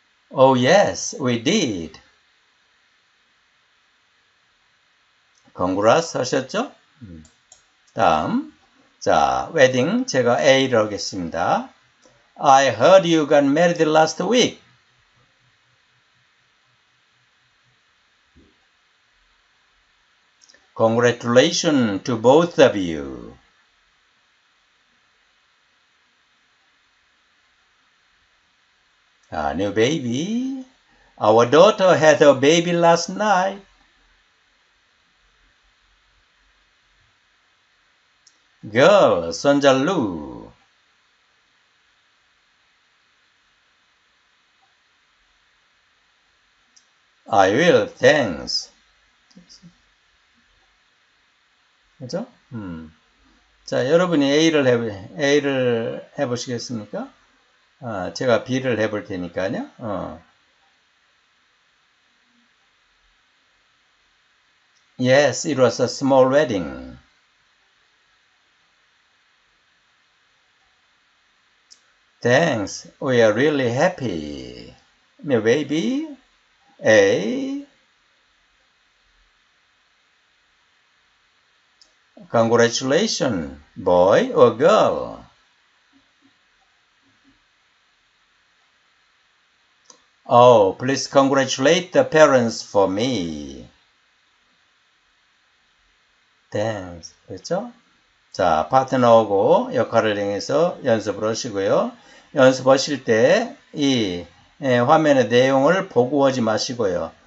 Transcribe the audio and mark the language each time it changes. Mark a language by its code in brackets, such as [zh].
[en] Oh, yes, we did. Congrats [ko] 하셨죠? 다음, 자, wedding 제가 A를 하겠습니다. [en] I heard you got married last week. Congratulations to both of you. A new baby. Our daughter had her baby last night. Girl, 손자루. I will, thanks. [ko] 그죠? 자, 여러분이 A를 해보시겠습니까? 제가 B를 해볼 테니까요. [en] Yes, it was a small wedding. Thanks, we are really happy. My baby? Eh? Congratulations, boy or girl? Oh, please congratulate the parents for me. Thanks, [ko] 그렇죠? 자, 파트너하고 역할을 통해서 연습을 하시고요. 연습하실 때 이 화면의 내용을 보고 하지 마시고요.